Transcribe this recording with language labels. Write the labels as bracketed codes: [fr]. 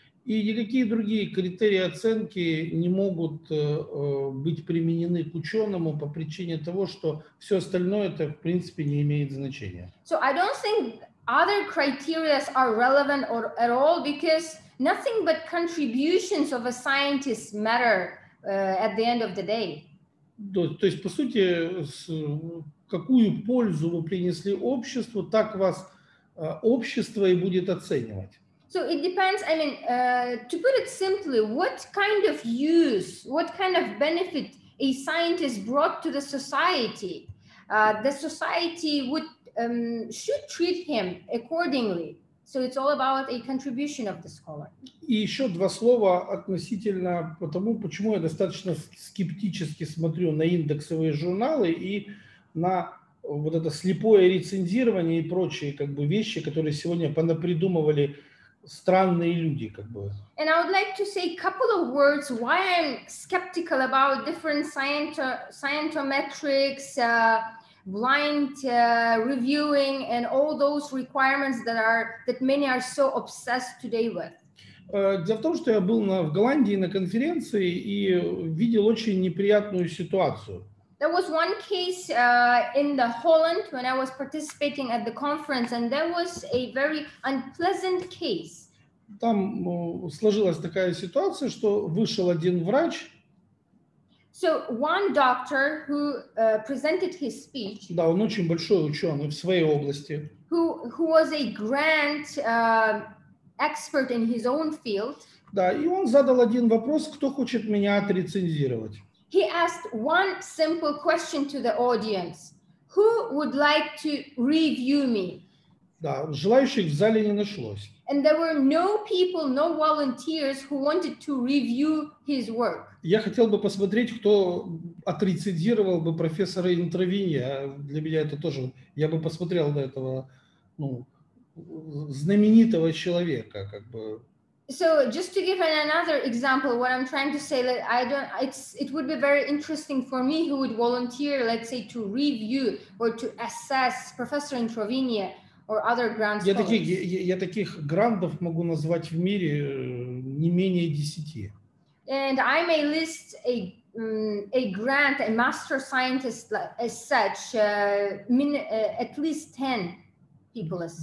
[ru] И никакие другие критерии оценки не могут быть применены к ученому по причине того, что все остальное это, в принципе, не имеет значения. [en] So I don't think other criteria are relevant or at all, because nothing but contributions of a scientist matter at the end of the day. [ru] То есть, по сути, какую пользу вы принесли обществу, так вас общество и будет оценивать. [en] So it depends, I mean, to put it simply, what kind of use, what kind of benefit a scientist brought to the society, the society would should treat him accordingly. So it's all about a contribution of the scholar. [ru] И еще два слова относительно тому, почему я достаточно скептически смотрю на индексовые журналы и на вот это слепое рецензирование и прочие как бы вещи, которые сегодня понапридумывали странные люди, как бы. [en] And I would like to say a couple of words why I'm skeptical about different scientometrics, blind reviewing, and all those requirements that many are so obsessed today with. [ru] Дело в том, что я был в Голландии на конференции и видел очень неприятную ситуацию. [en] There was one case in the Holland when I was participating at the conference, and there was a very unpleasant case. [ru] Там сложилась такая ситуация, что вышел один врач. [en] So one doctor who presented his speech. [ru] Да, он очень большой ученый в своей области. [en] Who was a grand expert in his own field. [ru] Да, и он задал один вопрос: кто хочет меня отрецензировать? [en] He asked one simple question to the audience: who would like to review me? [ru] Да, желающих в зале не нашлось. [en] And there were no people, no volunteers who wanted to review his work. [ru] Я хотел бы посмотреть, кто отрецензировал бы профессора Интравинья. Для меня это тоже. Я бы посмотрел на этого, ну, знаменитого человека, как бы. [en] So just to give another example, what I'm trying to say, that I don't, it would be very interesting for me who would volunteer, let's say, to review or to assess Professor Intravinia. Or other grand scholars. [ru] Я таких грандов могу назвать в мире не менее 10. [en] And I may list a master scientist as such at least 10 people as such.